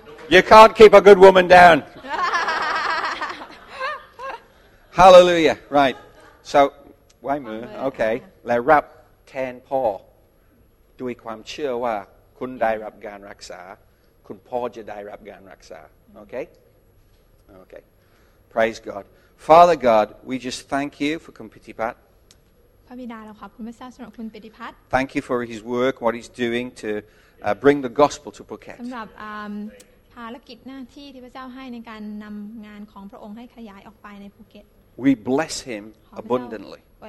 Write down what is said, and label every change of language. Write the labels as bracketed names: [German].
[English] You can't keep a good woman down. Hallelujah. Right. So, why move? Okay. Let's wrap 10 paw. [Thai] ด้วยความเชื่อว่าคุณได้รับการรักษาคุณพ่อจะได้รับการรักษาโอเคโอเค [English] Praise God Father God we just thank you for [Thai] คุณปฏิพัท พระบิดาเราขอบคุณพระเจ้าสำหรับคุณปฏิพัท [English] Thank you for his work what he's doing to bring the gospel to Phuket [Thai] สำหรับภารกิจหน้าที่ที่พระเจ้าให้ในการนำงานของพระองค์ให้ขยายออกไปในภูเก็ต [English] We bless him abundantly.